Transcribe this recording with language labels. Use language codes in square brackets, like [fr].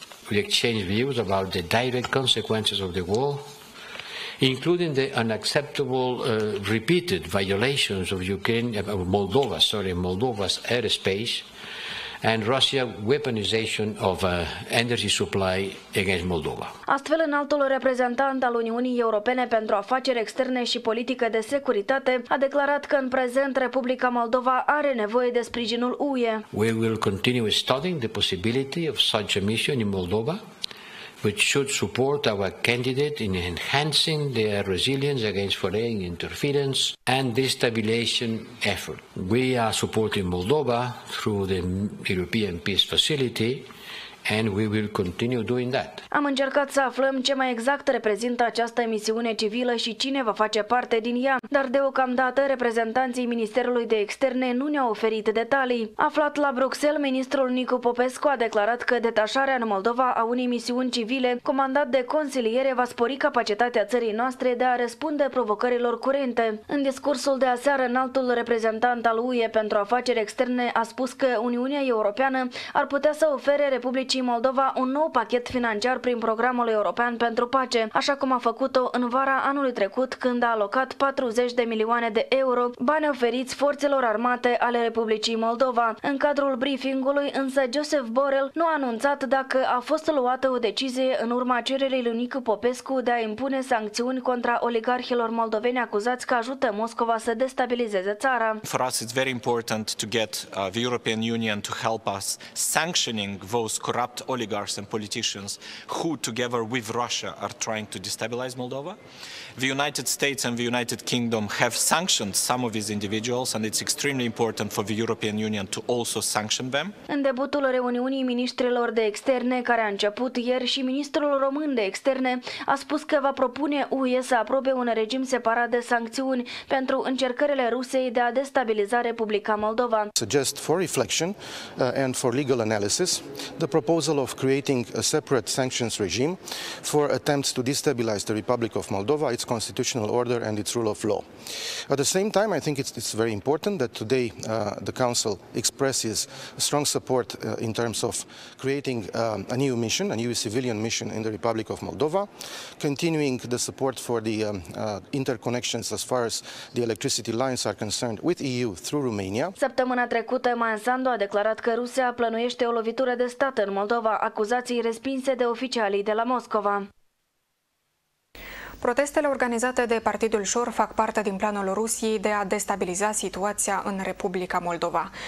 [en] We exchange views about the direct consequences of the war, including the unacceptable repeated violations of Moldova's airspace and Russia's weaponization of energy supply against Moldova. [ro] Astfel, înaltul reprezentant al Uniunii Europene pentru Afaceri Externe și Politică de Securitate a declarat că în prezent Republica Moldova are nevoie de sprijinul UE. [en] We will continue studying the possibility of such a mission in Moldova, which should support our candidate in enhancing their resilience against foreign interference and destabilization effort. We are supporting Moldova through the European Peace Facility and we will continue doing that. [ro] Am încercat să aflăm ce mai exact reprezintă această misiune civilă și cine va face parte din ea, dar deocamdată reprezentanții Ministerului de Externe nu ne-au oferit detalii. Aflat la Bruxelles, ministrul Nicu Popescu a declarat că detașarea în Moldova a unei misiuni civile, comandat de consiliere, va spori capacitatea țării noastre de a răspunde provocărilor curente. În discursul de aseară, înaltul reprezentant al UE pentru afaceri externe a spus că Uniunea Europeană ar putea să ofere Republicii Moldova un nou pachet financiar prin Programul European pentru Pace, așa cum a făcut-o în vara anului trecut, când a alocat 40 de milioane de euro, bani oferiți forțelor armate ale Republicii Moldova. În cadrul briefingului, însă, Josep Borrell nu a anunțat dacă a fost luată o decizie în urma cererii lui Nicu Popescu de a impune sancțiuni contra oligarhilor moldoveni acuzați că ajută Moscova să destabilizeze țara. [en] For us it's very important to get the European Union to help us sanctioning those corrupt oligarchs and politicians who, together with Russia, are trying to destabilize Moldova. The United States and the United Kingdom have sanctioned some of these individuals and it's extremely important for the European Union to also sanction them. [ro] În debutul reuniunii ministrilor de externe, care a început ieri, și ministrul român de externe a spus că va propune UE să aprobe un regim separat de sancțiuni pentru încercările Rusiei de a destabiliza Republica Moldova. [en] Suggest for reflection and for legal analysis the proposal proposal of creating a separate sanctions regime for attempts to destabilize the Republic of Moldova, its constitutional order and its rule of law. At the same time, I think it's very important that today the Council expresses strong support in terms of creating a new mission, a new civilian mission in the Republic of Moldova, continuing the support for the interconnections as far as the electricity lines are concerned with EU through Romania. [ro] Săptămâna trecută, Maia Sandu a declarat că Rusia plănuiește o lovitură de stat în Moldova, acuzații respinse de oficialii de la Moscova. Protestele organizate de Partidul Șor fac parte din planul Rusiei de a destabiliza situația în Republica Moldova.